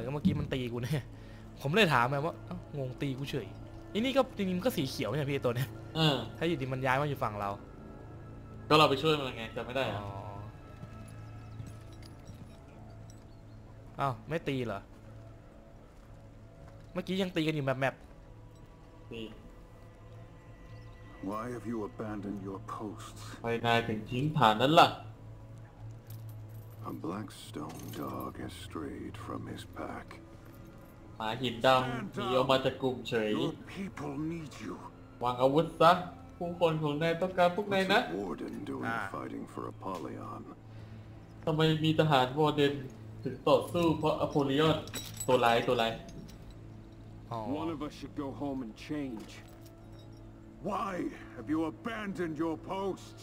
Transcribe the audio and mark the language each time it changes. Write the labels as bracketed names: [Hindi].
[Thai] เมื่อกี้มันตีกูเนี่ยผมเลยถามไงว่างงตีกูเฉยอันนี้ก็จริงๆก็สีเขียวใช่พี่ตัวเนี้ยถ้าอยู่ดีมันย้ายมาอยู่ฝั่งเรา ก็เราไปช่วยมันไงจะไม่ได้อ๋อ อ้าวไม่ตีเหรอเมื่อกี้ยังตีกันอยู่แบบแบบ [English] Why have you abandoned your posts? Why did you leave the path? A black stone dog has strayed from his pack. [Thai] มาหินดำหนีออกมาจากกลุ่มเฉย [English] Your people need you. [Thai] วางอาวุธซะผู้คนของนายต้องการพวกนายนะ [English] What's the warden doing fighting for Apollyon? [Thai] ทำไมมีทหารวอร์เดนถึงต่อสู้เพราะอพอลิออนตัวร้ายตัวร้าย [English] One of us should go home and changeWhy have you abandoned your posts?